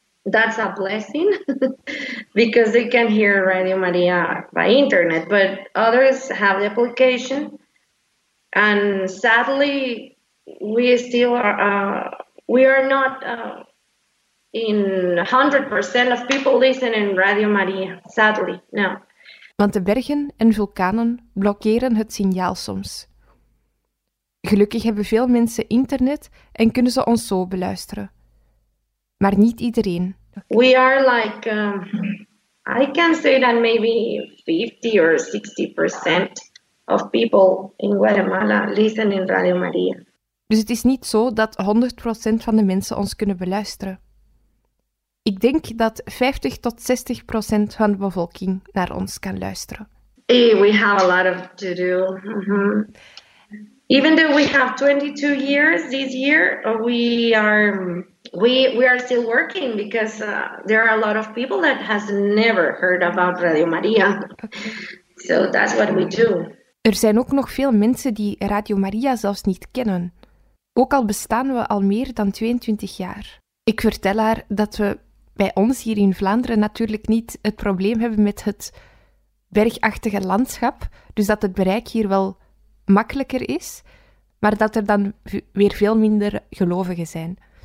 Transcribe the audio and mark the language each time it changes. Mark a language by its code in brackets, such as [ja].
[en] That's a blessing, because they can hear Radio Maria by internet, but others have the application, and sadly, we are not in 100% of people listening Radio Maria, sadly, no. [nl] Want de bergen en vulkanen blokkeren het signaal soms. Gelukkig hebben veel mensen internet en kunnen ze ons zo beluisteren. Maar niet iedereen. [en] We are like, I can say that maybe 50 or 60% of people in Guatemala listen in Radio Maria. [nl] Dus het is niet zo dat 100% van de mensen ons kunnen beluisteren. Ik denk dat 50 tot 60% van de bevolking naar ons kan luisteren. [en] Hey, we have a lot of to do. Mm-hmm. Even though we have 22 years this year, we are still working because there are a lot of people that has never heard about Radio Maria. So that's what we do. [nl] Er zijn ook nog veel mensen die Radio Maria zelfs niet kennen. Ook al bestaan we al meer dan 22 jaar. Ik vertel haar dat we bij ons hier in Vlaanderen natuurlijk niet het probleem hebben met het bergachtige landschap, dus dat het bereik hier wel makkelijker is, maar dat er dan weer veel minder gelovigen zijn.